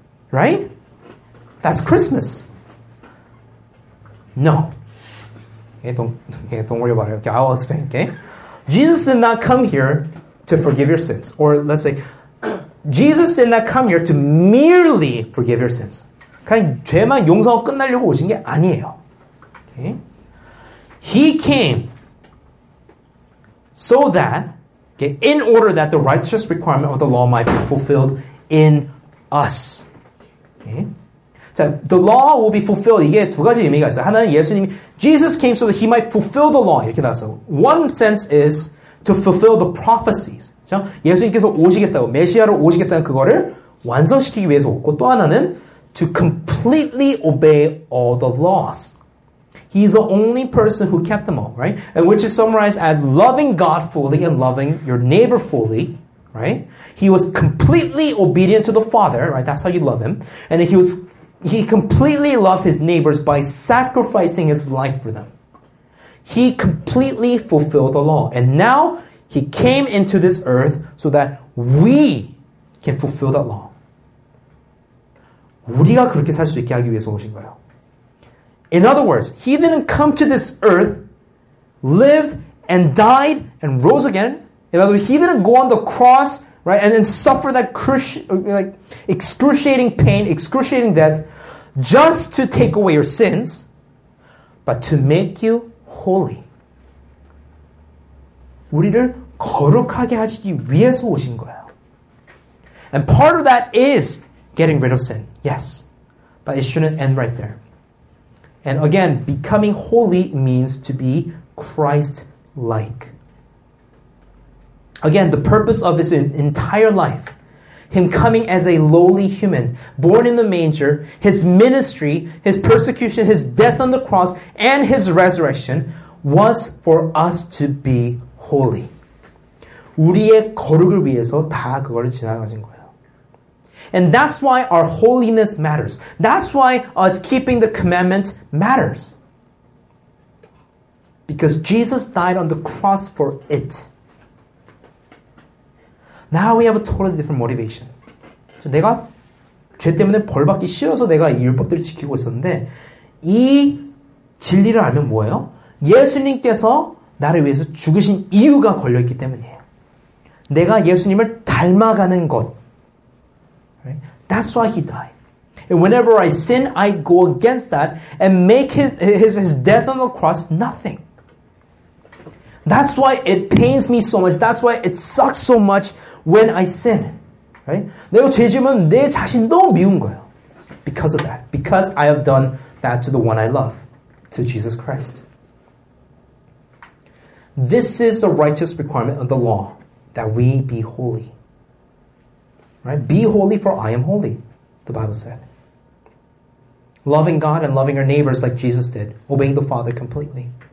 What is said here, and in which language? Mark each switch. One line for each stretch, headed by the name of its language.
English: Right? That's Christmas. No. Okay, don't worry about it. Okay, I'll explain. Okay? Jesus did not come here to forgive your sins. Or let's say, Jesus did not come here to merely forgive your sins.
Korean: 그냥 죄만 용서하고 끝나려고 오신 게 아니에요.
English: Okay? He came so that, okay, in order that the righteous requirement of the law might be fulfilled in us. Okay? 자, the law will be fulfilled.
Korean: 이게 두 가지 의미가 있어요. 하나는 예수님이,
English: Jesus came so that he might fulfill the law.
Korean: 이렇게 나왔어요.
English: One sense is to fulfill the prophecies.
Korean: 예수님께서 오시겠다고, 메시아로 오시겠다는 그거를 완성시키기 위해서 오고 또 하나는
English: to completely obey all the laws. He is the only person who kept them all, right? And which is summarized as loving God fully and loving your neighbor fully, right? He was completely obedient to the Father, right? That's how you love him. And he completely loved his neighbors by sacrificing his life for them. He completely fulfilled the law. And now, He came into this earth so that we can fulfill that law.
Korean: 우리가 그렇게 살 수 있게 하기 위해서 오신 거예요.
English: In other words, He didn't come to this earth, lived and died and rose again. In other words, He didn't go on the cross, right? And then suffer that excruciating pain, excruciating death, just to take away your sins, but to make you holy.
Korean: 우리를 거룩하게 하시기 위해서 오신 거예요.
English: And part of that is getting rid of sin, yes. But it shouldn't end right there. And again, becoming holy means to be Christ-like. Again, the purpose of his entire life, him coming as a lowly human, born in the manger, his ministry, his persecution, his death on the cross, and his resurrection, was for us to be holy.
Korean: 우리의 거룩을 위해서 다 그거를 지나가신 거예요.
English: And that's why our holiness matters. That's why us keeping the commandment matters. Because Jesus died on the cross for it. Now we have a totally different motivation.
Korean: So 내가 죄 때문에 벌 받기 싫어서 내가 이 율법들을 지키고 있었는데 이 진리를 알면 뭐예요? 예수님께서 나를 위해서 죽으신 이유가 걸려 있기 때문이에요. 내가 예수님을 닮아가는 것.
English: Right? That's why he died. And whenever I sin, I go against that and make his death on the cross nothing. That's why it pains me so much. That's why it sucks so much when I sin. Right?
Korean: 내가 죄 지으면 내 자신 너무 미운 거예요.
English: Because of that. Because I have done that to the one I love, to Jesus Christ. This is the righteous requirement of the law, that we be holy. Right? Be holy for I am holy, the Bible said. Loving God and loving our neighbors like Jesus did, obeying the Father completely.